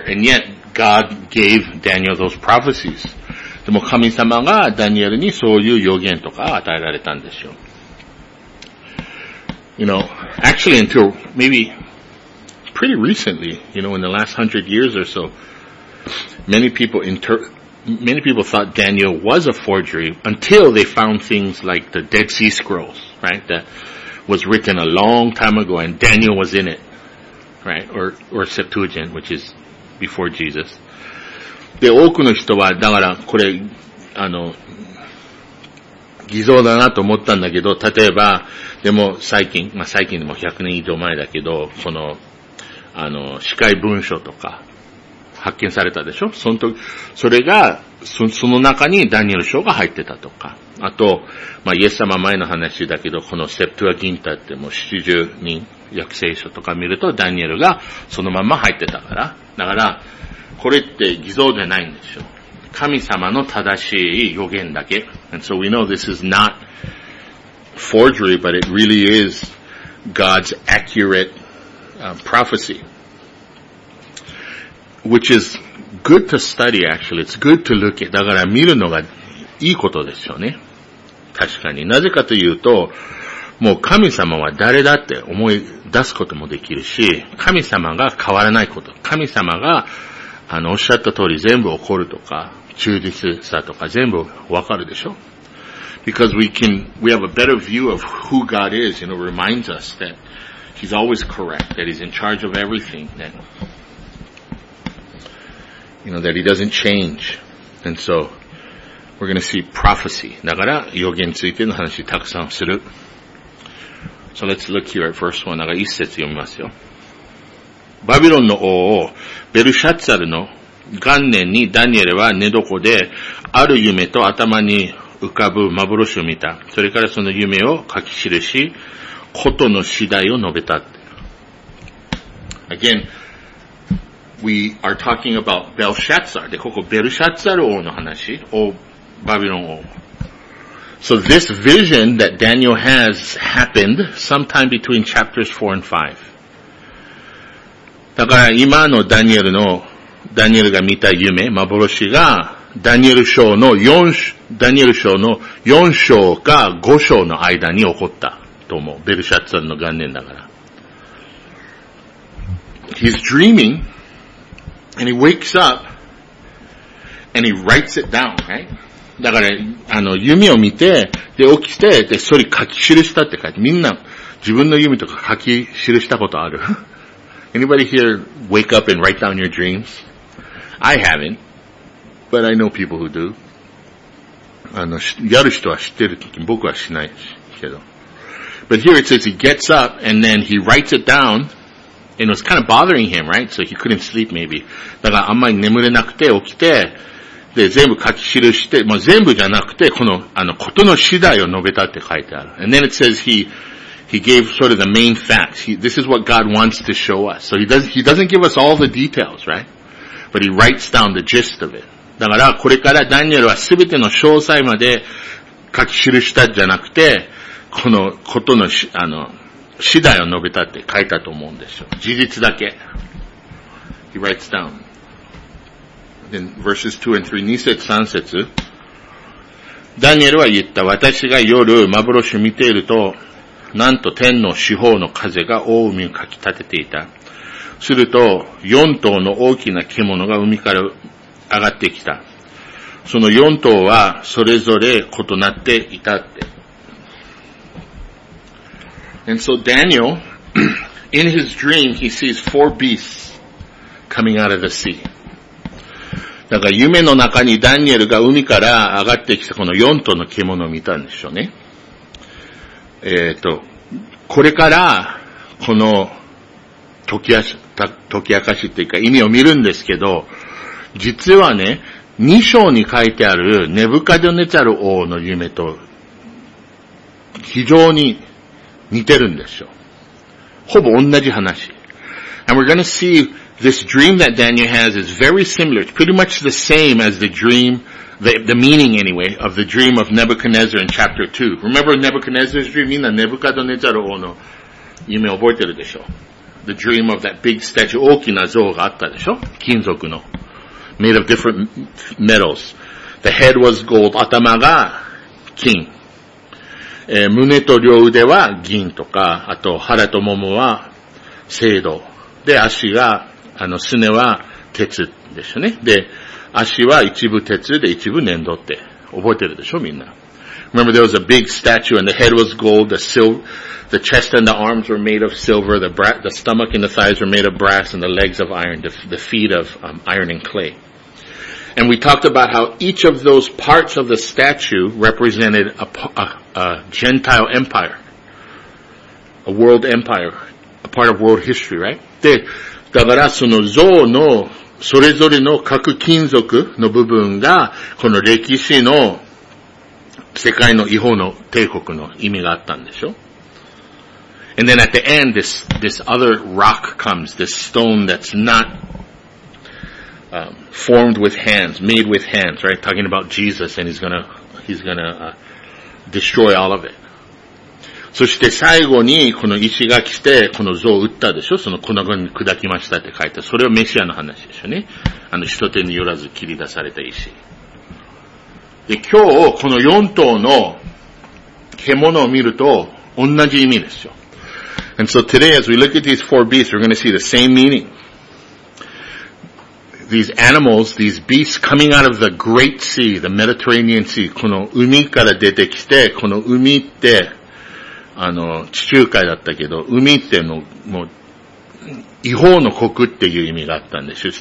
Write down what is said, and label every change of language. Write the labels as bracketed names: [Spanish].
[English] And yet, God gave Daniel those prophecies. [Japanese] でも神様がダニエルにそういう予言とか与えられたんですよ。 [English] You know, actually until maybe pretty recently, you know, in the last 100 years or so, many people thought Daniel was a forgery until they found things like the Dead Sea Scrolls, right? That was written a long time ago and Daniel was in it, right? Or Septuagint, which is before Jesus. [Japanese] で、多くの人は、だから、これ、偽造だなと思ったんだけど、例えば、でも最近、まあ、最近でも100年以上前だけど、その、司会文書とか、発見されたでしょ？その時、それが、その中にダニエル書が入ってたとか、あと、まあ、イエス様前の話だけど、このセプトゥアギンタってもう70人、訳聖書とか見ると、ダニエルがそのまま入ってたから、だから、これって偽造じゃないんですよ。神様の正しい予言だけ。 [English] And so we know this is not forgery, but it really is God's accurate, prophecy. Which is good to study, actually. It's good to look at. [Japanese] だから見るのがいいことですよね。確かに。なぜかというと、もう神様は誰だって思い出すこともできるし、神様が変わらないこと。神様が、おっしゃった通り全部起こるとか、忠実さとか全部わかるでしょ [English] ?because we have a better view of who God is, you know, reminds us that He's always correct, that He's in charge of everything, that, you know, that He doesn't change. And so, we're gonna see prophecy. [Japanese] だから、予言についての話たくさんする。 [English] So let's look here at verse 1. [Japanese] だから一節読みますよ。バビロンの王をベルシャツァルの元年にダニエルは寝床である夢と頭に浮かぶ幻を見た。それからその夢を書き記し、ことの次第を述べた。 [English] Again, we are talking about Belshazzar. [Japanese] で、ここベルシャツァル王の話。王、バビロン王。 [English] So this vision that Daniel has happened sometime between chapters 4 and 5. [Japanese] だから今のダニエルのダニエルが見た夢、幻が、ダニエル章の4章か5章の間に起こったと思う。ベルシャツァルの元年だから。 [English] He's dreaming, and he wakes up, and he writes it down, right? [Japanese] だから、夢を見て、で、起きて、で、それ書き記したって書いて、みんな、自分の夢とか書き記したことある ? [English] Anybody here wake up and write down your dreams? I haven't, but I know people who do. [Japanese] やる人は知ってる。僕はしないけど。 [English] But here it says he gets up and then he writes it down and it was kind of bothering him, right? So he couldn't sleep maybe. [Japanese] だからあんまり眠れなくて起きて、で、全部書き記して、まあ、全部じゃなくて、この、ことの次第を述べたって書いてある。 [English] And then it says he gave sort of the main facts. This is what God wants to show us. So he doesn't give us all the details, right? But he writes down the gist of it. [Japanese] だからこれからダニエルはすべての詳細まで書き記したじゃなくて、このことの次第を述べたって書いたと思うんでしょう。事実だけ。 [English] He writes down. Then verses 2 and 3, 2節3節。 [Japanese] ダニエルは言った。私が夜幻を見ていると、なんと天の四方の風が大海をかき立てていた。すると、四頭の大きな獣が海から上がってきた。その四頭はそれぞれ異なっていたって。 [English] And so Daniel, in his dream, he sees four beasts coming out of the sea. [Japanese] だから夢の中にダニエルが海から上がってきたこの四頭の獣を見たんでしょうね。これから、この、解き明かしっていうか意味を見るんですけど、実はね、2章に書いてあるネブカデネチャル王の夢と非常に似てるんですよ。ほぼ同じ話。 [English] And we're gonna see this dream that Daniel has is very similar. It's pretty much the same as the dream, the meaning anyway, of the dream of Nebuchadnezzar in chapter 2. Remember Nebuchadnezzar's dream? [Japanese] みんなネブカデネチャル王の夢覚えてるでしょ。 [English] The dream of that big statue, [Japanese] 大きな像があったでしょ金属の。 [English] Made of different metals. The head was gold, [Japanese] 頭が金。胸と両腕は銀とか、あと腹と腿は青銅。で、足が、すねは鉄でしょね。で、足は一部鉄で一部粘土って。覚えてるでしょみんな。 [English] Remember there was a big statue and the head was gold, the chest and the arms were made of silver, the stomach and the thighs were made of brass and the legs of iron, the feet of iron and clay. And we talked about how each of those parts of the statue represented a Gentile empire. A world empire. A part of world history, right? [Japanese] で、だからその像のそれぞれの各金属の部分がこの歴史の世界の異邦の帝国の意味があったんでしょ? [English] And then at the end, this other rock comes, this stone that's not formed with hands, made with hands, right? Talking about Jesus, and he's gonna destroy all of it. [Japanese] そして最後にこの石が来てこの像を打ったでしょ? その粉々に砕きましたって書いて、それはメシアの話でしょね。あの人手によらず切り出された石。で、今日、この四頭の獣を見ると、同じ意味ですよ。 [English] And so today, as we look at these four beasts, we're going to see the same meaning. These animals, these beasts coming out of the Great Sea, the Mediterranean Sea, [Japanese] この海から出てきて、この海って、あの、地中海だったけど、海っていうの、もう、異邦の国っていう意味があったんですよ。